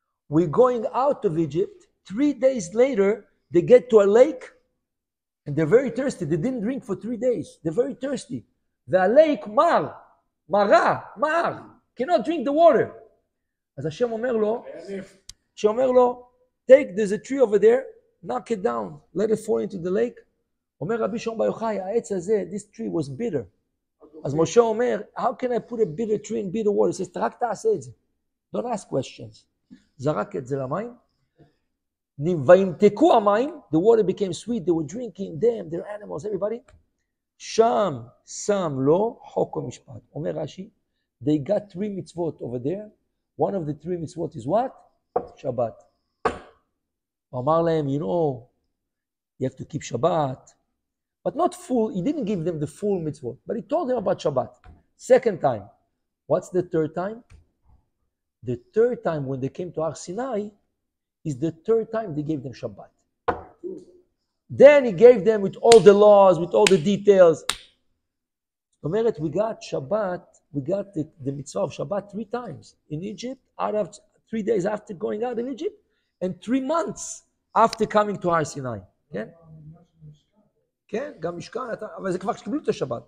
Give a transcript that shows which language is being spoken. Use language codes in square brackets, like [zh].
[en] We're going out of Egypt. 3 days later, they get to a lake, and they're very thirsty. They didn't drink for 3 days. They're very thirsty. [he] והלייק מר, מרה, מר, [en] cannot drink the water. [he] אז השם אומר לו, [en] take, there's a tree over there, knock it down, let it fall into the lake. [he] אומר רבי שמעון בר יוחאי, העץ הזה, [en] this tree was bitter. [he] אז משה אומר, [en] how can I put a bitter tree in bitter water? He says, [he] רק תעשה את זה. [en] Don't ask questions. [he] זרק את זה למים. וימתקו המים, [en] the water became sweet, they were drinking, them, their animals, everybody. [he] שם, שם, לא, חוק ומשפט. אומר רשי, [en] they got three mitzvot over there. One of the three mitzvot is what? Shabbat. [he] אמר להם, [en] you know, you have to keep Shabbat. But not full, he didn't give them the full mitzvot. But he told them about Shabbat. Second time. What's the third time? The third time when they came to Har Sinai is the third time they gave them Shabbat. Then he gave them with all the laws, with all the details. Omeret, we got Shabbat, we got the mitzvah of Shabbat 3 times. In Egypt, out of 3 days after going out in Egypt, and 3 months after coming to Har Sinai. Okay? [he] כן, גם משכן, אבל זה כבר שקיבלו את השבת.